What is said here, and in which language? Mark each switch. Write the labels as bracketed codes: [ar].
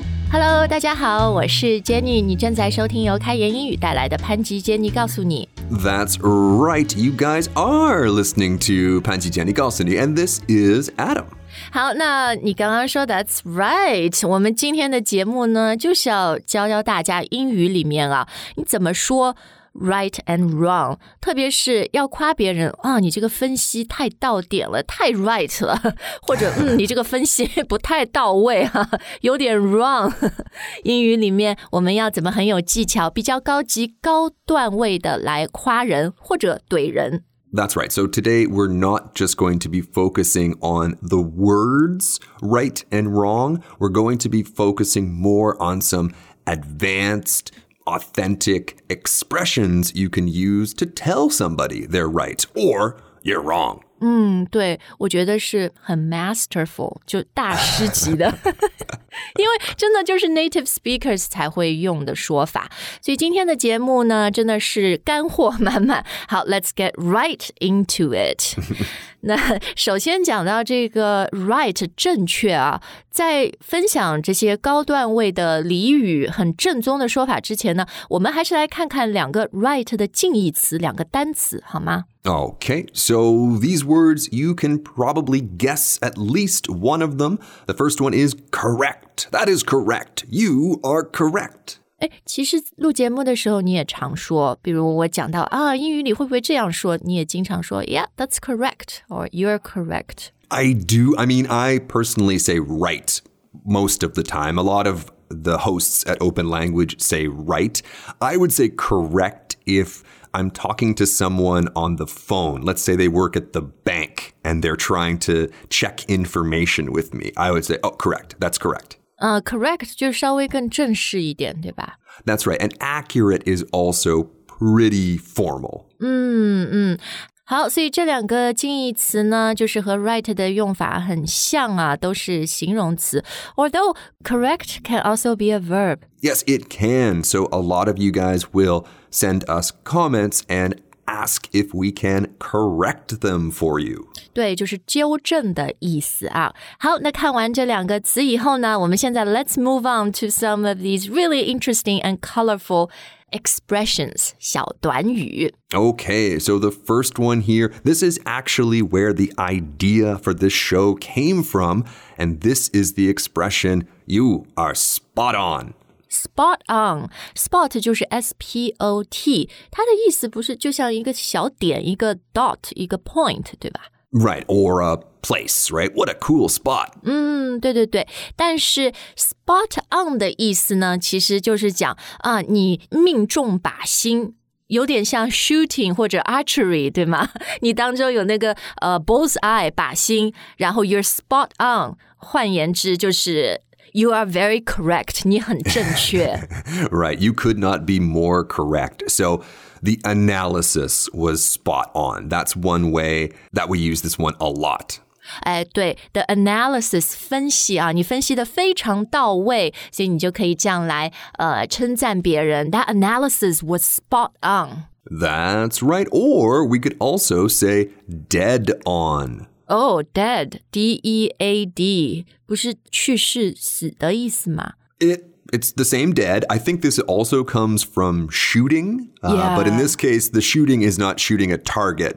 [zh] Hello， 大家好，我是 Jenny， 你正在收听由开言英语带来的潘吉 Jenny 告诉你。 [en] That's right, you guys are listening to 潘吉 Jenny 告诉你， and this is Adam. [zh] 好，那你刚刚说 [en] That's right， [zh] 我们今天的节目呢就是要教教大家英语里面啊你怎么说 right and wrong， 特别是要夸别人啊、哦、你这个分析太到点了，太 right 了，或者你这个分析不太到位啊，有点 wrong。英语里面我们要怎么很有技巧比较高级高段位的来夸人或者怼人。 [en] That's right. So today we're not just going to be focusing on the words right and wrong. We're going to be focusing more on some advanced, authentic expressions you can use to tell somebody they're right or you're wrong. [zh] 嗯，对，我觉得是很 masterful, 就大师级的。因为真的就是 native speakers 才会用的说法。所以今天的节目呢真的是干货满满。 [en] 好 ,let's get right into it. [zh] 那首先讲到这个 right 正确啊，在分享这些高段位的俚语很正宗的说法之前呢，我们还是来看看两个 right 的近义词，两个单词好吗？ [en] Okay, so these words, you can probably guess at least one of them. The first one is correct. That is correct. You are correct. [zh] 哎，其实录节目的时候你也常说，比如我讲到啊，英语里会不会这样说？你也经常说 [en] ，Yeah, that's correct, or you're correct. I do. I mean, I personally say right most of the time. A lot of the hosts at Open Language say right. I would say correct if I'm talking to someone on the phone. Let's say they work at the bank and they're trying to check information with me. I would say, oh, correct. That's correct. [zh] Correct 就稍微更正式一点对吧 [en] That's right. And accurate is also pretty formal. [zh] 好所以这两个近义词呢就是和 right 的用法很像啊都是形容词。 [en] Although correct can also be a verb. Yes, it can. So a lot of you guys will send us comments and ask if we can correct them for you. [zh] 对就是纠正的意思啊。好那看完这两个词以后呢我们现在 [en] let's move on to some of these really interesting and colorful expressions, [zh] 小短语。 [en] Okay, so the first one here, this is actually where the idea for this show came from, and this is the expression, you are spot on. [zh] Spot on, spot 就是 S-P-O-T, 它的意思不是就像一个小点,一个 dot, 一个 point, 对吧? [en] Right, or a place, right? What a cool spot. [zh] 对对对,但是 spot on 的意思呢,其实就是讲啊,你命中靶心。有点像 shooting 或者 archery, 对吗? 你当中有那个bullseye, 靶心,然后 [en] you're spot on, [zh] 换言之就是 [en] You are very correct. [zh] 你很正确。 [en] Right. You could not be more correct. So the analysis was spot on. That's one way that we use this one a lot. [zh] 哎，对 ,the analysis, 分析啊，你分析的非常到位，所以你就可以这样来称赞别人。 [en] That analysis was spot on. That's right. Or we could also say dead on. [zh] Oh, dead, D-E-A-D, 不是去世死的意思吗? [en] It's the same dead. I think this also comes from shooting. Yeah. But in this case, the shooting is not shooting a target.